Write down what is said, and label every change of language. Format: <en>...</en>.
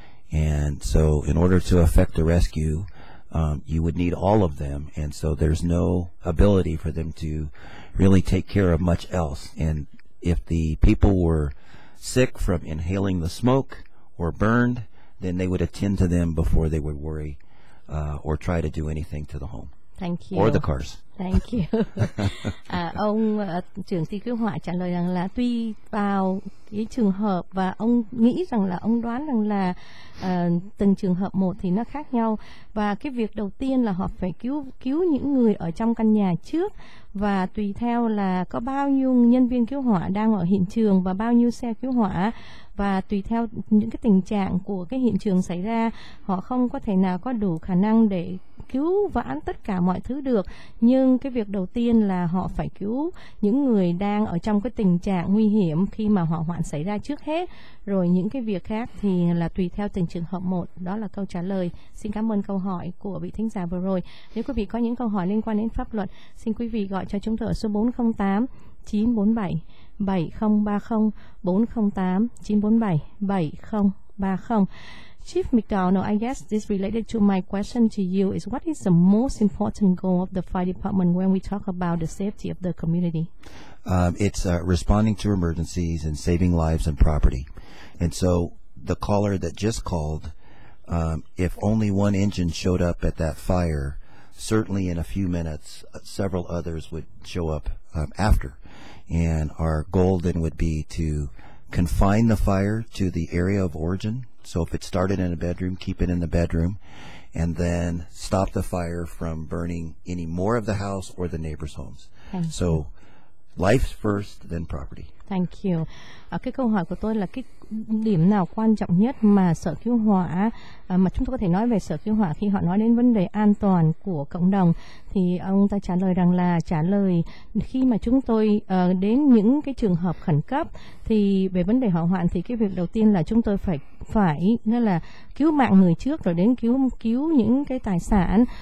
<en>And so in order to effect a rescue, you would need all of them, and so there's no ability for them to really take care of much else. And if the people were sick from inhaling the smoke or burned, then they would attend to them before they would worry or try to do anything to the home. Thank you. Or the cars. Thank you.</en> <vi>ông trưởng ty cứu hỏa trả lời rằng là tuy vào cái trường hợp và ông nghĩ rằng là ông đoán rằng là từng trường hợp một thì nó khác nhau, và cái việc đầu tiên là họ phải cứu những người ở trong căn nhà trước, và tùy theo là có bao nhiêu nhân viên cứu hỏa đang ở hiện trường và bao nhiêu xe cứu hỏa, và tùy theo những cái tình trạng của cái hiện trường xảy ra, họ không có thể nào có đủ khả năng để cứu vãn tất cả mọi thứ được. Nhưng cái việc đầu tiên là họ phải cứu những người đang ở trong cái tình trạng nguy hiểm khi mà hỏa hoạn xảy ra trước hết, rồi những cái việc khác thì là tùy theo từng trường hợp một. Đó là câu trả lời. Xin cảm ơn câu hỏi của vị thính giả vừa rồi. Nếu quý vị có những câu hỏi liên quan đến pháp luật, xin quý vị gọi cho chúng tôi ở số 408-947-7030, 408-947-7030.</vi> <en>Chief McDonald, I guess this related to my question to you is, what is the most important goal of the fire department when we talk about the safety of the community? It's responding to emergencies and saving lives and property. And so the caller that just called, if only one engine showed up at that fire, certainly in a few minutes, several others would show up after. And our goal then would be to confine the fire to the area of origin. So if it started in a bedroom, keep it in the bedroom, and then stop the fire from burning any more of the house or the neighbors' homes. Thank so you. Life's first, then property. Thank you.</en> <vi>Cái câu hỏi của tôi là cái điểm nào quan trọng nhất mà sở cứu hỏa, mà chúng tôi có thể nói về sở cứu hỏa khi họ nói đến vấn đề an toàn của cộng đồng, thì ông ta trả lời rằng là trả lời khi mà chúng tôi đến những cái trường hợp khẩn cấp thì về vấn đề hỏa hoạn, thì cái việc đầu tiên là chúng tôi phải nghĩa là cứu mạng người trước rồi đến cứu những cái tài sản.</vi>